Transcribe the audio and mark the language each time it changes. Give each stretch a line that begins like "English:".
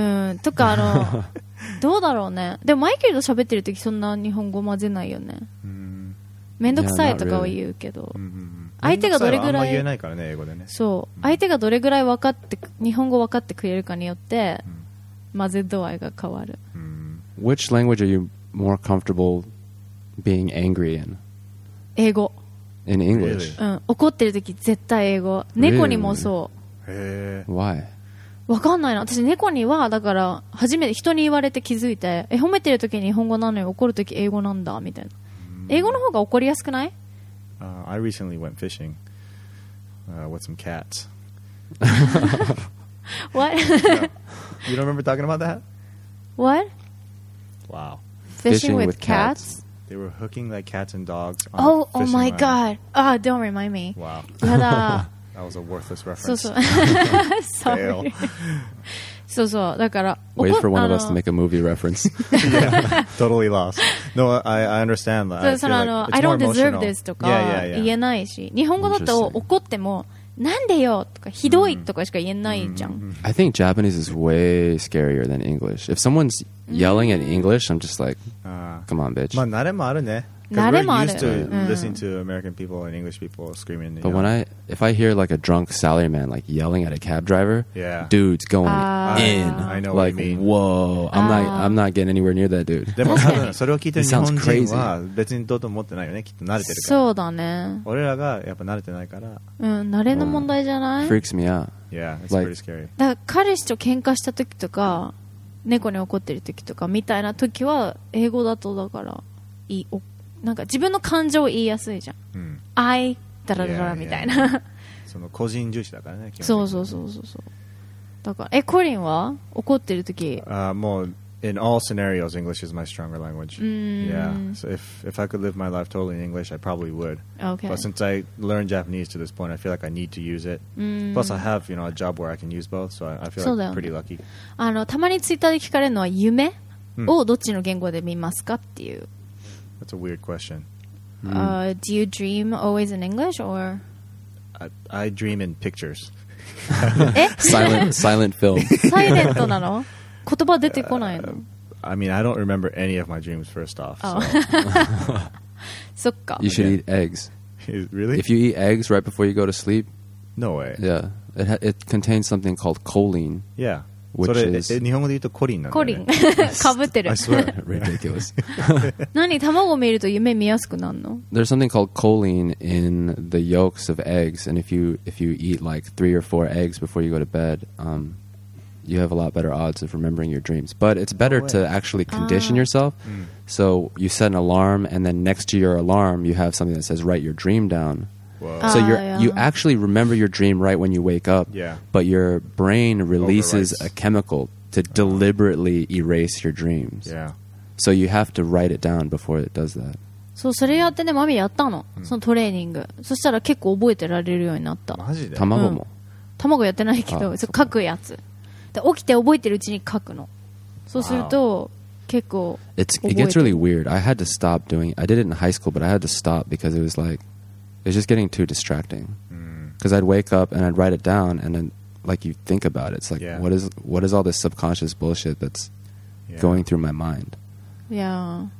Japanese: うん、とかあのどうだろうねでもマイケルと喋ってる時そんな日本語混ぜないよね、うん、めんどくさいとかは言うけど、相手がどれぐらい、あんま言えないからね英語でね。そう、相手がどれぐらい分かって日本語分かってくれるかによって、混ぜ度合いが変わる。
English: Which language are you more comfortable being angry in?
Japanese: 英語。
English: In English.
Japanese: うん、怒ってる時絶対英語。猫にもそう。へえ。わかんないな。私猫にはだから初めて人に言われて気づいて、え褒めてる時日本語なのに怒る時英語なんだみたいな。英語の方が怒りやすくない？
English: I recently went fishing with some cats. What? You don't remember talking about that? What? Wow. Fishing with cats? They were hooking like cats and dogs on oh, fishing oh my line. God. Ah, oh, don't remind me. Wow.
Japanese: Yada.
English: That was a worthless reference. So so. Sorry. So so.
Japanese: だから
English: wait for one of us to make a movie reference. Yeah, totally lost. No, I understand that. So, その、 like、あの I don't deserve this
Japanese: とか
English: yeah, yeah, yeah.
Japanese: 言えないし、日本語だと怒ってもなんでよとかひどいとかしか言えないじゃん。 Mm-hmm.
English: I think Japanese is way scarier than English. If someone's yelling in English, I'm just like, come on, bitch.
Japanese: まあ慣れもあるね。慣れもある。
English: We're used to listening to American people and English people screaming. But when I hear like a drunk salaryman like yelling at a cab driver, yeah. dude's going in. I know like, what you mean. Whoa, I'm not getting anywhere near that dude.
Japanese: でも多分それを聞いてる日本人は別にどうと思ってないよね。きっと慣れてるから。そうだね。俺らがやっぱ慣れてないから。うん、慣れの問題じゃない
English: ？Freaks me out. Yeah, it's like, pretty scary.
Japanese: だから彼氏と喧嘩した時とか、猫に怒ってる時とかみたいな時は英語だとだからいい。なんか自分の感情を言いやすいじゃん。うん、 I だらだらみたいな。その個人重視だからね。そうそうそうそうそう。だからえコリンは怒ってる時。もう
English: in all scenarios English is my stronger language. Yeah. So if I could live my life totally in English, I probably would. Okay. But since I learned Japanese to this point, I feel like I need to use it. Plus I have you know a job where I can use both, so I feel like pretty lucky.
Japanese: あのたまにツイッターで聞かれるのは夢をどっちの言語で見ますかっていう。
English: That's a weird question. Do you dream always in English or? I dream in pictures. silent film.
Japanese: Silent なの？言葉出てこないの？
English: I mean, I don't remember any of my dreams first off.
Japanese: そっか。
English: You should eat eggs. Really? If you eat eggs right before you go to sleep. No way. Yeah. It contains something called choline. Yeah. Which
Japanese: それ
English: is...
Japanese: 日本語で言うとコリンなんだね。コリン。かぶってる。
English: I swear. Ridiculous.
Japanese: 何卵を見ると夢見やすくなるの
English: There's something called choline in the yolks of eggs. And if you eat like three or four eggs before you go to bed, you have a lot better odds of remembering your dreams. But it's better to actually condition yourself. So you set an alarm and then next to your alarm, you have something that says write your dream down. Whoa. So you actually remember your dream right when you wake up, yeah. but your brain releases a chemical to deliberately erase your dreams. Yeah. So you have to write it down before it does that. So,
Japanese: それやってね、マミやったの、そのトレーニング。そしたら結構覚えてられるようになった。マジで？卵も。卵やってないけど、そう書くやつ。で、起きて覚えてるうちに書くの。そうすると、結構覚えてる。
English: It gets really weird. I had to stop doing it. I did it in high school, but I had to stop because it was like,It's just getting too distracting. Because I'd wake up and I'd write it down, and then, like, you think about it. It's like, what is all this subconscious bullshit that's going through my mind? Yeah.